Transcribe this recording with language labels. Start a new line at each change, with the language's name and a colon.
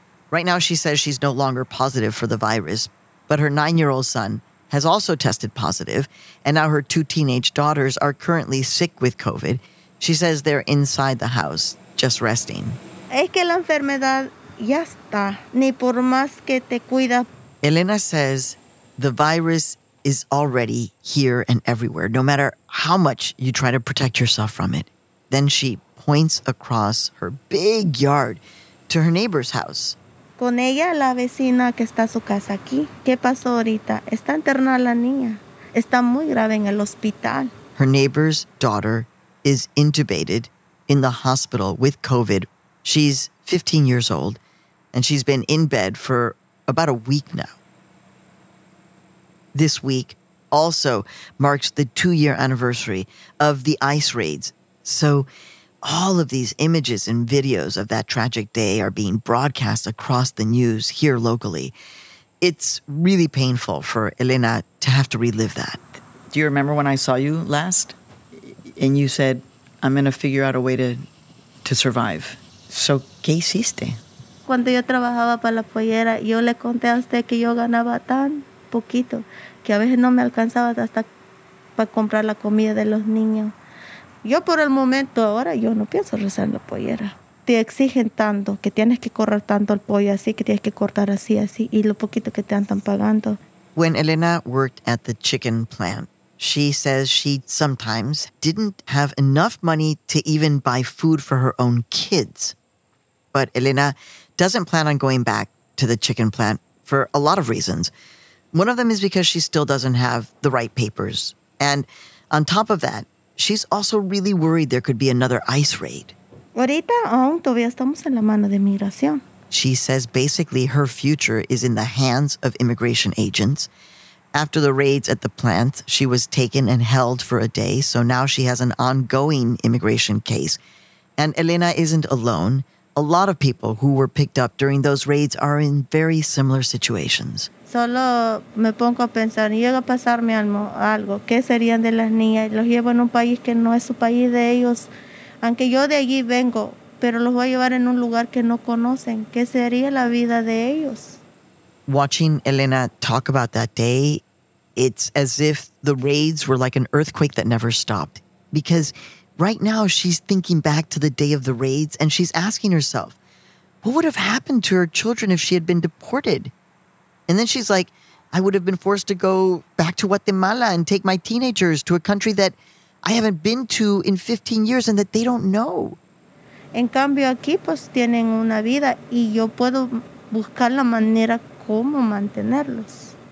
English: Right now she says she's no longer positive for the virus, but her 9-year-old son has also tested positive, and now her 2 teenage daughters are currently sick with COVID. She says they're inside the house, just resting.
Spanish: Es que la enfermedad ya está, ni por más que te cuida.
English: Elena says the virus is already here and everywhere, no matter how much you try to protect yourself from it. Then she points across her big yard to her neighbor's house.
Spanish: Con ella, la vecina que está a su casa aquí. ¿Qué pasó ahorita? Está internada la niña. Está muy grave en el hospital.
English: Her neighbor's daughter is intubated in the hospital with COVID. She's 15 years old, and she's been in bed for about a week now. This week also marks the 2-year anniversary of the ICE raids. So all of these images and videos of that tragic day are being broadcast across the news here locally. It's really painful for Elena to have to relive that. Do you remember when I saw you last? And you said, I'm going to figure out a way to survive.
Spanish: So, ¿qué hiciste? Cuando yo trabajaba para la pollera, yo le conté a usted que yo ganaba tan poquito que a veces no me alcanzaba hasta para comprar la comida de los niños. Yo por el momento ahora yo no pienso rezar en la pollera. Te exigen tanto que tienes que correr tanto el pollo así, que tienes que cortar así, así, y lo poquito que te andan pagando.
English: When Elena worked at the chicken plant, she says she sometimes didn't have enough money to even buy food for her own kids. But Elena doesn't plan on going back to the chicken plant for a lot of reasons. One of them is because she still doesn't have the right papers. And on top of that, she's also really worried there could be another ICE raid.
Spanish: Ahorita aún todavía estamos en la mano de migración.
English: She says basically her future is in the hands of immigration agents. After the raids at the plant, she was taken and held for a day, so now she has an ongoing immigration case. And Elena isn't alone. A lot of people who were picked up during those raids are in very similar situations.
Spanish: Solo me pongo a pensar, llega a pasarme algo, ¿qué serían de las niñas? Los llevo en un país que no es su país de ellos, aunque yo de allí vengo, pero los voy a llevar en un lugar que no conocen, ¿qué sería la vida de ellos?
English: Watching Elena talk about that day, it's as if the raids were like an earthquake that never stopped, because Right now, she's thinking back to the day of the raids, and she's asking herself, what would have happened to her children if she had been deported? And then she's like, I would have been forced to go back to Guatemala and take my teenagers to a country that I haven't been to in 15 years and that they don't know.
Spanish: En cambio, aquí pues tienen una vida y yo puedo buscar la manera como mantenerlos.